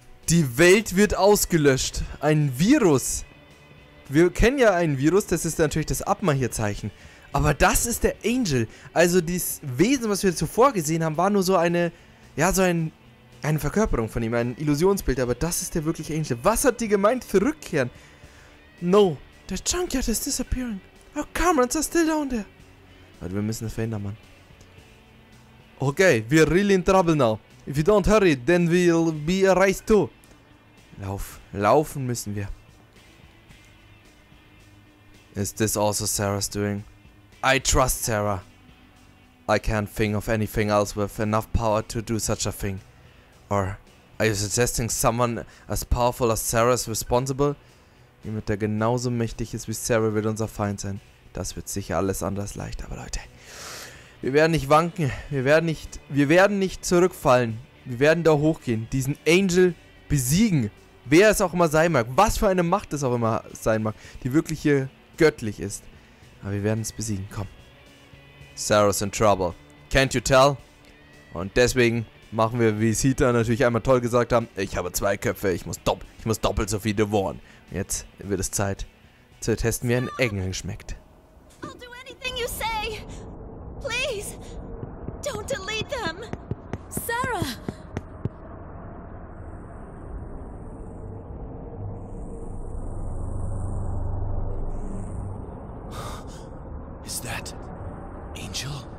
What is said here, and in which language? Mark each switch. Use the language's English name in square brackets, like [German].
[German] Die Welt wird ausgelöscht. Ein Virus. Wir kennen ja ein Virus, das ist natürlich das Abmahierzeichen. Aber das ist der Angel. Also dieses Wesen, was wir zuvor gesehen haben, war nur so eine, ja, so eine Verkörperung von ihm, ein Illusionsbild. Aber das ist der wirkliche Angel. Was hat die gemeint? Zurückkehren? [English] No. The junkyard is disappearing. Our comrades are still down there. [German] Warte, wir müssen das verändern, Mann. [English] Okay, we're really in trouble now. If you don't hurry, then we'll be erased too. [German] Lauf. Laufen müssen wir. [English] Is this also Sarah's doing? I trust Sarah. I can't think of anything else with enough power to do such a thing. Or are you suggesting someone as powerful as Sarah is responsible? [German] Jemand, der genauso mächtig ist wie Sarah, wird unser Feind sein. Das wird sicher alles anders leicht, aber Leute... Wir werden nicht wanken, wir werden nicht zurückfallen, wir werden da hochgehen, diesen Angel besiegen, wer es auch immer sein mag, was für eine Macht es auch immer sein mag, die wirklich hier göttlich ist, aber wir werden es besiegen, komm. [English] Sarah's in trouble, can't you tell? [German] Und deswegen machen wir, wie Sita natürlich einmal toll gesagt haben, ich habe zwei Köpfe, ich muss doppelt so viel devoren. Jetzt wird es Zeit zu testen, wie ein Engel schmeckt. [English] I'll do anything you say. Please, don't delete them! Sarah! Is that... Angel?